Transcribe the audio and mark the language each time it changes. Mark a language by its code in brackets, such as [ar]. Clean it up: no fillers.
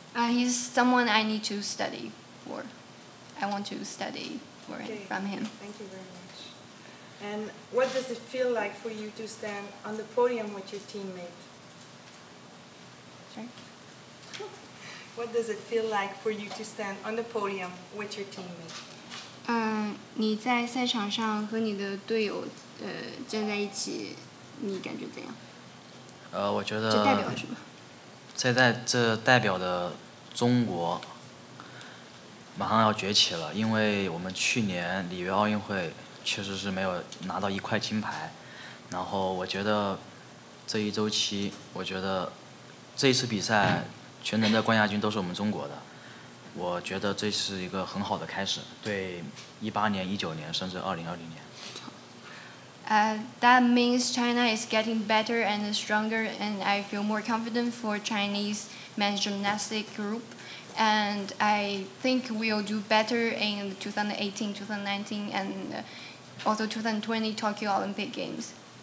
[en] He's someone I need to study for. I want to study for him, from him. Thank you very much. And what does it feel like for you to stand on the podium with your teammate? What does it feel like for you to stand on the podium with your teammate? [zh] 你在赛场上和你的队友站在一起，你感觉怎样？我觉得这代表什么？这代表的中国马上要崛起了，因为我们去年里约奥运会确实是没有拿到一块金牌，然后我觉得这一周期，我觉得这一次比赛全能的冠亚军都是我们中国的，我觉得这是一个很好的开始，对2018年、2019年甚至2020年。 [en] That means China is getting better and stronger, and I feel more confident for Chinese men's gymnastic group. And I think we'll do better in 2018, 2019, and also 2020 Tokyo Olympic Games.